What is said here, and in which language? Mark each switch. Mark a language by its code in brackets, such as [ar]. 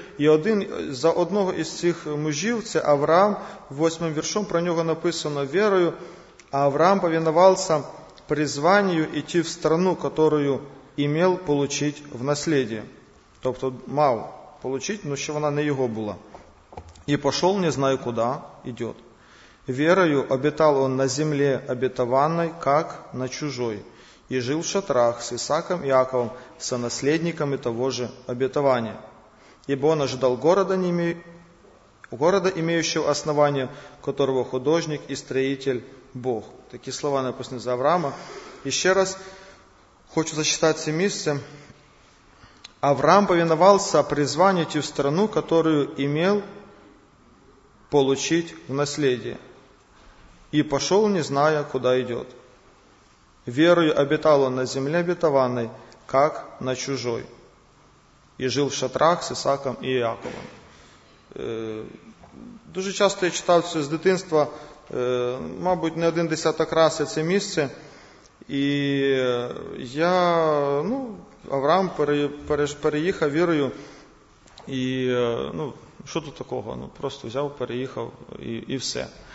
[uk] І один за одного із цих мужів, це Авраам, восьмим віршом про нього написано: «Вірою Авраам повинувався призванню йти в страну, [ru] которую имел получить в наследие». [uk] Тобто мав получить, но ще вона не його була. [ru] «И пошел, не знаю куда, идет. Верою обитал он на земле обетованной, как на чужой, и жил в шатрах с Исааком и Иаковом, со наследниками того же обетования. Ибо он ожидал города, имеющего основание, которого художник и строитель Бог». [uk] Такі слова написані за Авраама. І ще раз хочу зачитати це місце. Авраам повинувався призванню йти в страну, [ru] которую имел получить в наследие. И пошел, не зная, куда идет. Верою обитал он на земле обетованной, как на чужой. И жил в шатрах с Исааком и Иаковом. [uk] Дуже часто я читав це з дитинства, мабуть, не один десяток раз я це місце. І я, Авраам переїхав вірою. І, що тут такого? Просто взяв, переїхав і все.